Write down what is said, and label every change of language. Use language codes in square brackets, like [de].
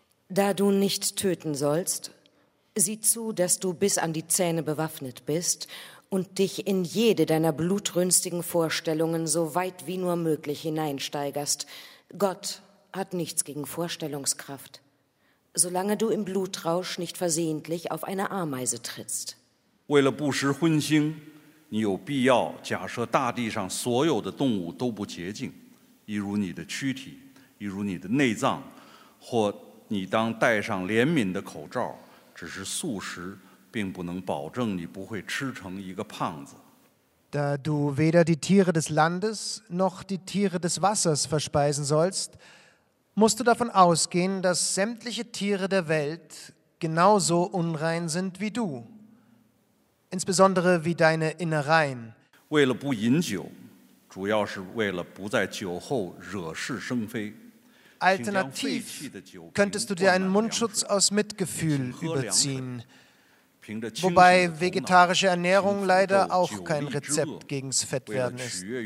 [de] Da du nicht töten sollst, sieh zu, dass du bis an die Zähne bewaffnet bist und dich in jede deiner blutrünstigen Vorstellungen so weit wie nur möglich hineinsteigerst. Gott hat nichts gegen Vorstellungskraft. Solange du im Blutrausch nicht versehentlich auf eine Ameise trittst. [zh] 为了不食荤腥，你有必要假设大地上所有的动物都不洁净，一如你的躯体，一如你的内脏，或你当戴上怜悯的口罩，只是素食，并不能保证你不会吃成一个胖子。 [de] Da du weder die Tiere des Landes noch die Tiere des Wassers verspeisen sollst, musst du davon ausgehen, dass sämtliche Tiere der Welt genauso unrein sind wie du, insbesondere wie deine Innereien. [zh] 为了不饮酒，主要是为了不在酒后惹是生非。 [de] Alternativ könntest du dir einen Mundschutz aus Mitgefühl überziehen, wobei vegetarische Ernährung leider auch kein Rezept gegens Fett werden ist.